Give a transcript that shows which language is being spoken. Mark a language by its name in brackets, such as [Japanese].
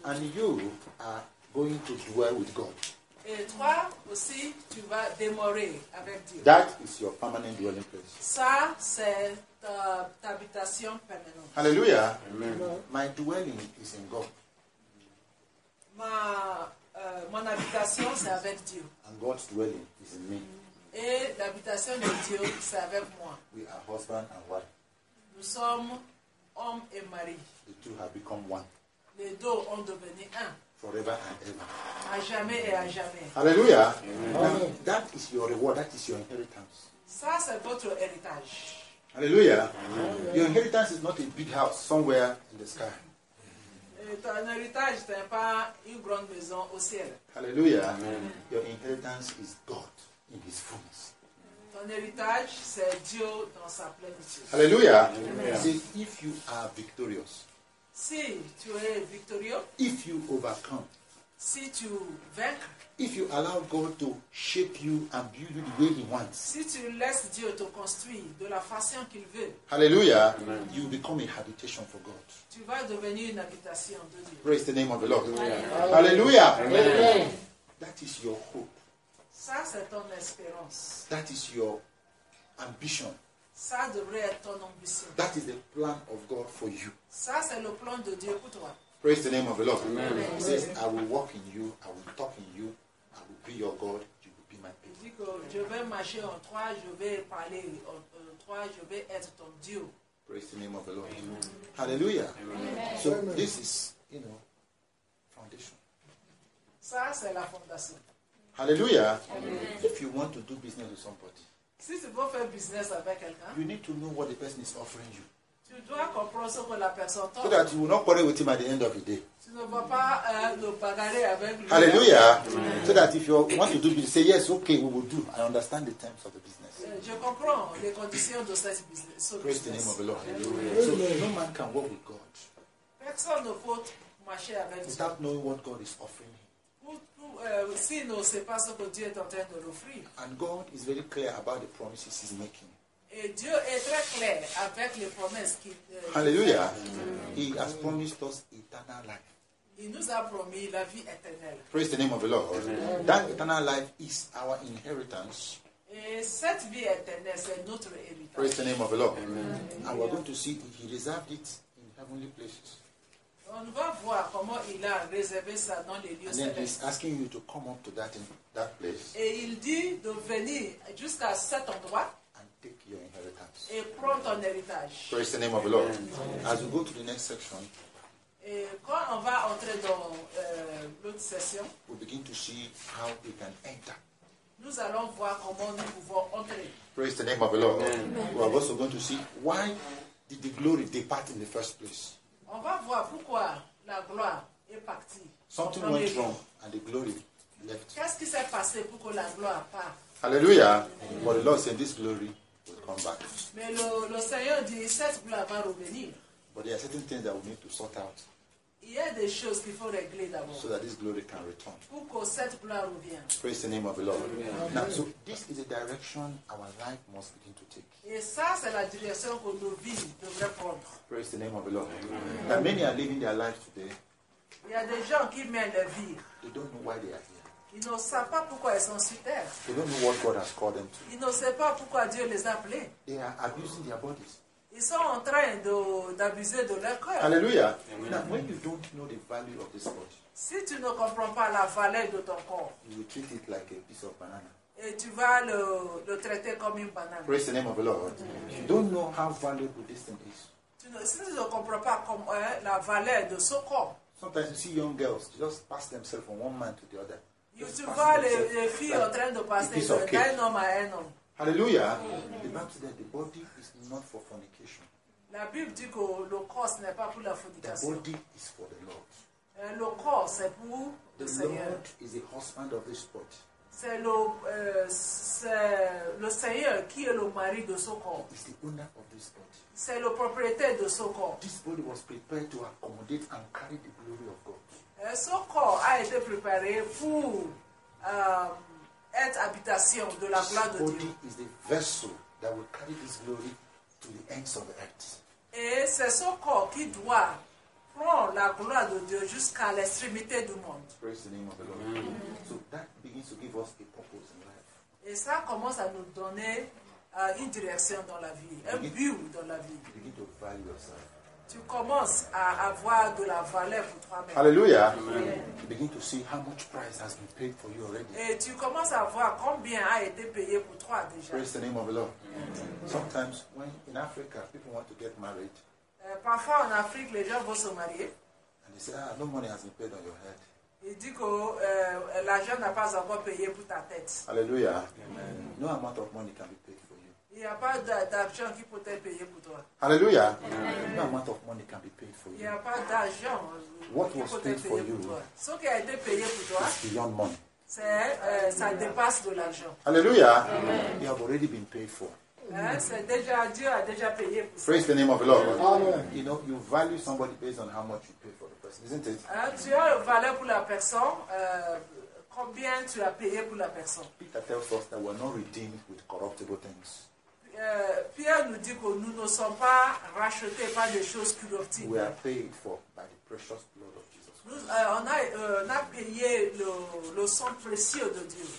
[English] And you are going to dwell with God. [French] Et toi aussi, tu vas demeurer avec Dieu. [English] That is your permanent dwelling place. [French] Ça, c'est ta habitation permanente. Alléluia. Amen. [English] My dwelling is in God. [French] Mon habitation, c'est avec Dieu. [English] And God's dwelling is in me. [French] Et l'habitation de Dieu, c'est avec moi. [English] We are husband and wife. [French] Nous sommes homme et mari. [English] The two have become one. [French] Les deux ont devenu un. [English] Forever and ever. [French] À jamais et à jamais. [English] Hallelujah. Amen. That is your reward. That is your inheritance. [French] Ça, c'est votre héritage. Alléluia. Amen. [English] Your inheritance is not a big house somewhere in the sky. [French] Ton héritage n'est pas une grande maison au ciel. [English] Alléluia. Your inheritance is God in his fullness. [French] Ton héritage, c'est Dieu dans sa plénitude. [English] Alléluia. See, if you are victorious. [French] Si tu es victorieux. [English] If you overcome. [French] Si tu vaincres. [English] If you allow God to shape you and build you the way He wants. [French] Si tu laisses Dieu te construire de la façon qu'il veut. [English] Hallelujah. Amen. You become a habitation for God. [French] Tu vas devenir une habitation de Dieu. [English] Praise the name of the Lord. Hallelujah. Hallelujah. Hallelujah. Amen. That is your hope. [French] Ça, c'est ton espérance. [English] That is your ambition. [French] Ça devrait être ton ambition. [English] That is the plan of God for you. [French] Ça, c'est le plan de Dieu pour toi. [English] Praise the name of the Lord. Amen. He says, I will walk in you, I will talk in you, I will be your God, you will be my people. [French] Je vais marcher en toi, je vais parler en toi, je vais être ton Dieu. [English] Praise the name of the Lord. Amen. Hallelujah. Amen. So this is, you know, foundation. [French] Ça, c'est la fondation. [English] Hallelujah. Amen. If you want to do business with somebody, [French] si tu veux faire business avec quelqu'un, [English] you need to know what the person is offering you. [French] Tu dois comprendre ce que la personne t'offre. [English] So that you will not quarrel with him at the end of the day. [French] Tu ne vas pas le bagarrer avec lui. [English] Hallelujah. Mm. So that if you want to do business, say yes, okay, we will do. I understand the terms of the business. [French] Je comprends les conditions de cette business. So [English] praise business. The name of the Lord. Hallelujah. So no man can work with God. [French] Personne ne peut marcher avec [English] Dieu. Without knowing what God is offering him. [French] Si il ne sait pas ce que Dieu est en train de l'offrir. [English] And God is very clear about the promises he's making. [French] Et Dieu est très clair avec les promesses qu'il fait. [English] Hallelujah. Amen. He has promised us eternal life. [French] Il nous a promis la vie éternelle. [English] Praise the name of the Lord. Amen. That eternal life is our inheritance. [French] Et cette vie éternelle, c'est notre héritage. [English] Praise the name of the Lord. Amen. And we're going to see if he reserved it in heavenly places. [French] On va voir comment il a réservé ça dans les lieux célestes. [English] He's asking you to come up to that place. [French] Et il dit de venir jusqu'à cet endroit. [English] Take your inheritance. [French] Et prends ton héritage. [English] Praise the name of the Lord. As we go to the next section, [French] quand on va entrer dans l'autre session, [English] we begin to see how we can enter. [French] Nous allons voir comment nous pouvons entrer. [English] Praise the name of the Lord. Amen. We are also going to see why did the glory depart in the first place. [French] On va voir pourquoi la gloire est partie. [English] Something went wrong and the glory left. [French] Qu'est-ce qui s'est passé pour que la gloire part? [English] Hallelujah. Amen. But the Lord said this glory will come back. [French] Mais le Seigneur dit cette gloire va revenir. [English] But there are certain things that we need to sort out. [French] Il y a des choses qu'il faut régler d'abord. [English] So that this glory can return. [French] Pour que cette gloire revienne. [English] Praise the name of the Lord. Amen. Now, so this is the direction our life must begin to take. [French] Et ça, c'est la direction que nos vies devraient prendre. [English] Praise the name of the Lord. Amen. Now, many are living their lives today. [French] Il y a des gens qui mènent leur vie. [English] They don't know why they are here. [French] Ils ne savent pas pourquoi ils sont sur terre. [English] They don't know what God has called them to. [French] Ils ne savent pas pourquoi Dieu les a appelés. [English] They are abusing their bodies. [French] Ils sont en train d'abuser de leur corps. [English] Hallelujah. Amen. Now, when you don't know the value of this body, [French] si tu ne comprends pas la valeur de ton corps, [English] you will treat it like a piece of banana. [French] Et tu vas le traiter comme une banane. [English] Praise the name of the Lord. Amen. You don't know how valuable this thing is. [French] Si tu ne comprends pas la valeur de ce corps. [English] Sometimes you see young girls just pass themselves from one man to the other. [French] Tu vois les filles en train de passer d'un homme à un homme. [English] Hallelujah. Amen. The Bible says that the body is not for fornication. [French] La Bible dit que le corps n'est pas pour la fornication. [English] The body is for the Lord. [French] Le corps c'est pour [English] the [French] le Seigneur. [English] Lord is the husband of this body. [French] C'est le Seigneur qui est le mari de ce corps. [English] He is the owner of this body. [French] C'est le propriétaire de ce corps. [English] This body was prepared to accommodate and carry the glory of God. [French] Ce corps a été préparé pour être habitation de la gloire de Dieu. [English] This body is the vessel that will carry this glory to the ends of the earth. [French] Et c'est ce corps qui doit prendre la gloire de Dieu jusqu'à l'extrémité du monde. [English] Praise the name of the Lord. Mm-hmm. So that begins to give us a purpose in life. [French] Et ça commence à nous donner une direction dans la vie, but dans la vie. [English] You begin to value yourself. [French] Tu commences à avoir de la valeur pour toi-même. [English] Hallelujah. Amen. You begin to see how much price has been paid for you already. [French] Et tu commences à voir combien a été payé pour toi déjà. [English] Praise the name of the Lord. Amen. Sometimes when in Africa people want to get married. [French] Parfois en Afrique les gens vont se marier. [English] And they say, no money has been paid on your head. [French] Il dit que l'argent n'a pas encore payé pour ta tête. [English] Hallelujah. Amen. No amount of money can be paid for you. [French] Il n'y a pas d'argent qui peut être payé pour toi. Alléluia. Amen. [English] No amount of money can be paid for you. [French] Il n'y a pas d'argent. [English] What was paid for you? [French] Ce qui a été payé pour toi. [English] It's beyond money. [French] Ça dépasse de l'argent. Alléluia. Amen. [English] You have already been paid for. [French] C'est déjà, Dieu a déjà payé pour ça. [English] Praise the name of the Lord. Amen. You know, you value somebody based on how much you pay for the person, isn't it? [French] Tu as une valeur pour la personne. Combien tu as payé pour la personne? [English] Peter tells us that we are not redeemed with corruptible things. [French] Pierre nous dit que nous ne sommes pas rachetés par des choses corruptibles. [English] We are paid for by the precious blood of Jesus. [French] Nous, on a payé le sang précieux de Dieu.